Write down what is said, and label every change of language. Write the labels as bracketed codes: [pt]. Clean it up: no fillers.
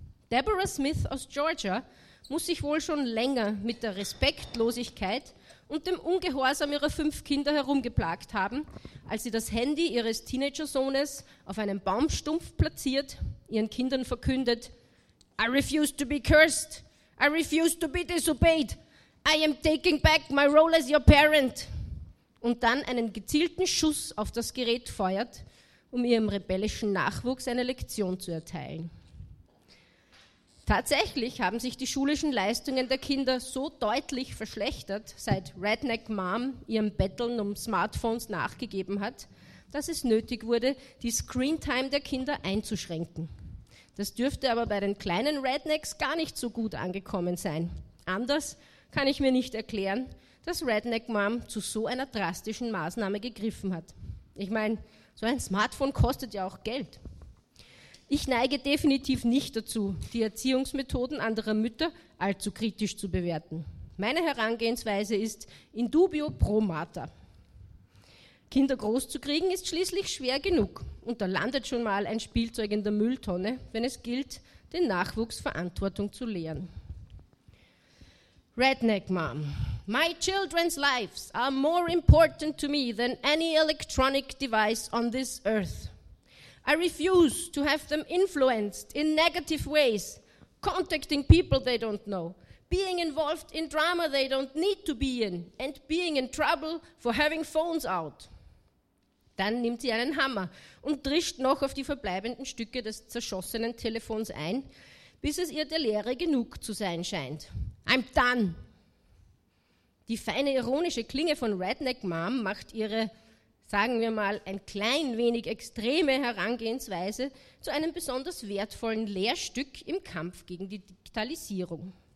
[de] Deborah Smith aus Georgia muss sich wohl schon länger mit der Respektlosigkeit und dem Ungehorsam ihrer 5 Kinder herumgeplagt haben, als sie das Handy ihres Teenager-Sohnes auf einem Baumstumpf platziert, ihren Kindern verkündet, [en] I refuse to be cursed. I refuse to be disobeyed. I am taking back my role as your parent. [de] Und dann einen gezielten Schuss auf das Gerät feuert, um ihrem rebellischen Nachwuchs eine Lektion zu erteilen. Tatsächlich haben sich die schulischen Leistungen der Kinder so deutlich verschlechtert, seit Redneck Mom ihrem Betteln um Smartphones nachgegeben hat, dass es nötig wurde, die Screentime der Kinder einzuschränken. Das dürfte aber bei den kleinen Rednecks gar nicht so gut angekommen sein. Anders kann ich mir nicht erklären, dass Redneck Mom zu so einer drastischen Maßnahme gegriffen hat. Ich meine, so ein Smartphone kostet ja auch Geld. Ich neige definitiv nicht dazu, die Erziehungsmethoden anderer Mütter allzu kritisch zu bewerten. Meine Herangehensweise ist [la] in dubio pro mater. [de] Kinder großzukriegen ist schließlich schwer genug und da landet schon mal ein Spielzeug in der Mülltonne, wenn es gilt, den Nachwuchs Verantwortung zu lehren. [en] Redneck Mom, my children's lives are more important to me than any electronic device on this earth. I refuse to have them influenced in negative ways, contacting people they don't know, being involved in drama they don't need to be in and being in trouble for having phones out. [de] Dann nimmt sie einen Hammer und drischt noch auf die verbleibenden Stücke des zerschossenen Telefons ein, bis es ihr der Lehre genug zu sein scheint. [en] I'm done! [de] Die feine ironische Klinge von Redneck Mom macht ihre, sagen wir mal, ein klein wenig extreme Herangehensweise zu einem besonders wertvollen Lehrstück im Kampf gegen die Digitalisierung.